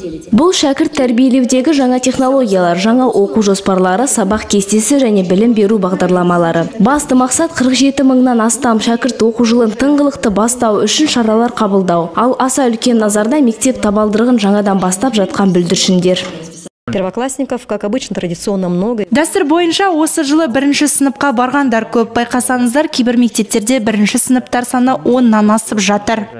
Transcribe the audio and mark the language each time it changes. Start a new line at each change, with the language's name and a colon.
Kazakh: Бұл шәкірт тәрбиелеудегі жаңа технологиялар, жаңа оқу жоспарлары, сабақ кестесі және білім беру бағдарламалары. Басты мақсат 47 мыңнан астам шәкірт оқу жылын тыңғылықты бастау үшін шаралар қабылдау. Ал аса үлкен назарда мектеп табалдырығын жаңадан бастап жатқан бүлдіршіндер.
Russian: Первоклассников, как обычно, традиционно много.
Kazakh: Дәстүр бойынша осы жылы бірінші сыныпқа барғандар көп. Байқасаңыздар, кейбір мектептерде бірінші сыныптар саны 10-нан асып жатыр.